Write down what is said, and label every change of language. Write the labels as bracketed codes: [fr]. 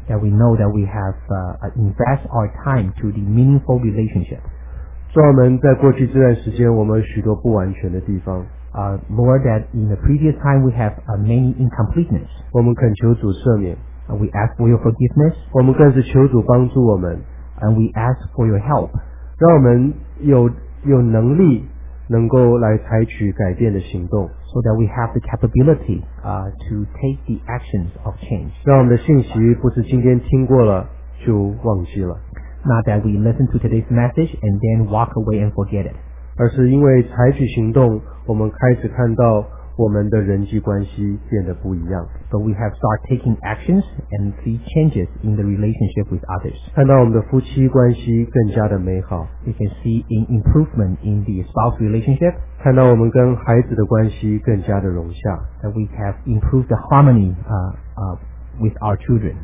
[en] That we know that we have invest our time to the meaningful relationship. [zh] 主，我们在过去这段时间，我们有许多不完全的地方。 [en] Lord, that in the previous time we have many incompleteness. [zh] 我们恳求主赦免。 [en] We ask for your forgiveness. [zh] 我们更是求主帮助我们。 [en] And we ask for your help. [zh] 让我们有能力能够来采取改变的行动。 [en] So that we have the capability to take the actions of change. [zh] 让我们的信息不是今天听过了就忘记了。 [en] Not that we listen to today's message and then walk away and forget it. [zh] 而是因为采取行动，我们开始看到我们的人际关系变得不一样。 [en] So we have started taking actions and see changes in the relationship with others. [zh] 看到我们的夫妻关系更加的美好。 [en] We can see an improvement in the spouse relationship. [zh] 看到我们跟孩子的关系更加的融洽。 [en] And we have improved the harmony with our children.